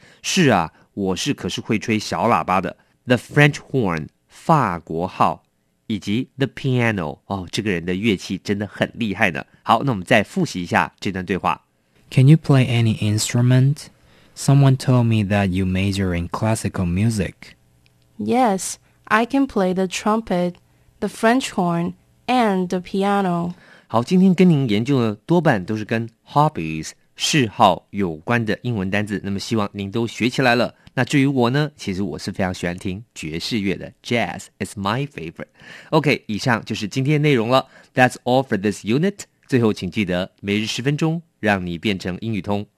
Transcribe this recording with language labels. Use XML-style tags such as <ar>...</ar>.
<zh>是啊，我是可是会吹小喇叭的。</zh> <en>The French horn,</en> <zh>法国号，以及</zh> <en>the piano.</en> <zh>哦，这个人的乐器真的很厉害呢。好，那我们再复习一下这段对话。</zh> <en>Can you play any instrument? Someone told me that you major in classical music. Yes, I can play the trumpet, the French horn, and the piano.</en> <zh>好，今天跟您研究的多半都是跟 hobbies。嗜好有关的英文单字，那么希望您都学起来了。那至于我呢，其实我是非常喜欢听爵士乐的 ，</zh> <en>Jazz is my favorite.</en> <zh>OK， 以上就是今天的内容了。</zh> <en>That's all for this unit.</en> <zh>最后，请记得每日十分钟，让你变成英语通。</zh>